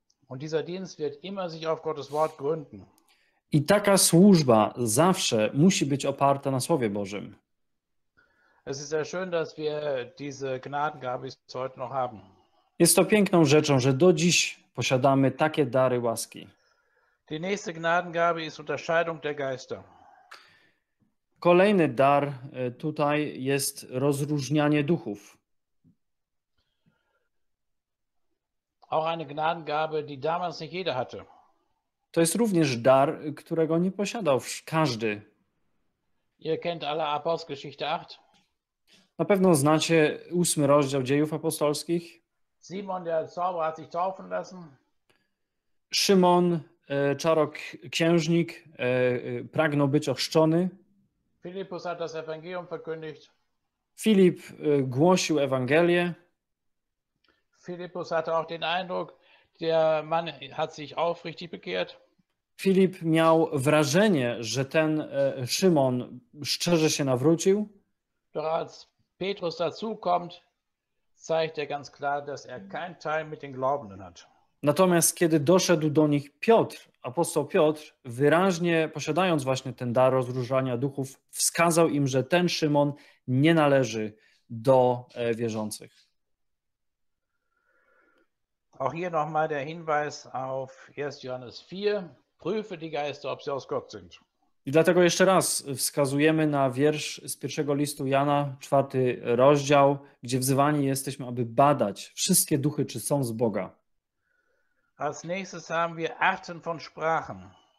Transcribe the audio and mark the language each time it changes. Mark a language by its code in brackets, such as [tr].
[de] Und dieser Dienst wird immer sich auf Gottes Wort gründen. [pl] I taka służba zawsze musi być oparta na Słowie Bożym. [de] Es ist sehr schön, dass wir diese Gnadengabe heute noch haben. [pl] Jest to piękną rzeczą, że do dziś posiadamy takie dary łaski. [de] Die nächste Gnadengabe ist Unterscheidung der Geister. [pl] Kolejny dar tutaj jest rozróżnianie duchów. [de] Auch eine Gnadengabe, die damals nicht jeder hatte. [pl] To jest również dar, którego nie posiadał każdy. [de] Ihr kennt alle Apostelgeschichte 8. [pl] Na pewno znacie 8 rozdział Dziejów Apostolskich. [de] Simon der Zauberer hat sich taufen lassen. [pl] Szymon, czaroksiężnik, pragnął być ochrzczony. [de] Philippus hat das Evangelium verkündigt. [pl] Filip głosił Ewangelię. [de] Philippus hatte auch den Eindruck, der Mann hat sich aufrichtig bekehrt. [pl] Filip miał wrażenie, że ten Szymon szczerze się nawrócił. [de] Doch als Petrus dazu kommt, zeigt ganz klar, dass kein Teil mit den Glaubenden hat. [pl] Natomiast kiedy doszedł do nich Piotr, apostoł Piotr, wyraźnie posiadając właśnie ten dar rozróżniania duchów, wskazał im, że ten Szymon nie należy do wierzących. [de] Auch hier nochmal der Hinweis auf 1. Johannes 4. Prüfe die Geister, ob sie aus Gott sind. [pl] I dlatego jeszcze raz wskazujemy na wiersz z pierwszego listu Jana, 4 rozdział, gdzie wzywani jesteśmy, aby badać wszystkie duchy, czy są z Boga. [de] Als nächstes haben wir Arten von Sprachen.